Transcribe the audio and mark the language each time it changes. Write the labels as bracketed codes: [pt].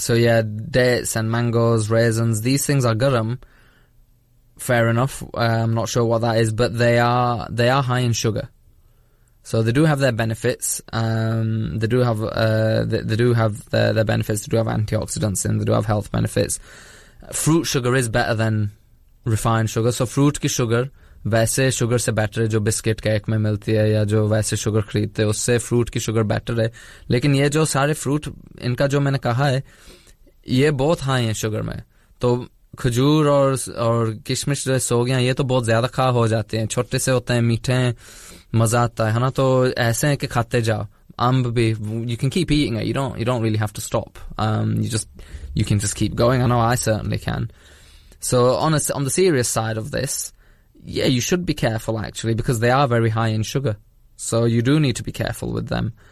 [en] So yeah, dates and mangoes, raisins, these things are garam. Fair enough. I'm not sure what that is, but they are high in sugar. So they do have their benefits. They do have their benefits. They do have antioxidants in. They do have health benefits. Fruit sugar is better than refined sugar. So fruit ki sugar, [hi] वैसे sugar से better है जो biscuit cake में मिलती है या जो वैसे sugar खरीदते हैं उससे fruit की sugar better है. लेकिन ये जो सारे fruit इनका जो मैंने कहा है, ये बहुत high है sugar में. तो खजूर और किशमिश जो सोगियां ये तो बहुत ज्यादा खा हो जाते हैं, छोटे से होते हैं, मीठे हैं, मजा आता है ना. तो ऐसे हैं कि खाते जाओ. अंब भी, [en] you can keep eating it, you don't really have to stop. You can just keep going. I know I certainly can. So on the serious side of this, yeah, you should be careful, actually, because they are very high in sugar, so you do need to be careful with them.